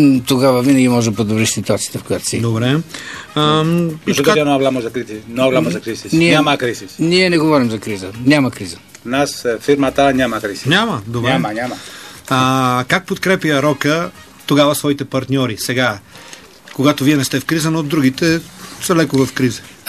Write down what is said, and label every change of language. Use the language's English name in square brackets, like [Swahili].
[Bulgarian] Тогава винаги може да подобриш ситуацията, в която си. Добре. [Spanish] Но hablamos de crisis. No hablamos de crisis. [Bulgarian] Няма кризис. Ние не говорим за криза. Няма криза. Нас фирмата няма кризис. Няма, добре. Няма. Как подкрепя Рока тогава своите партньори сега, когато вие не сте в криза, но другите са леко в криза?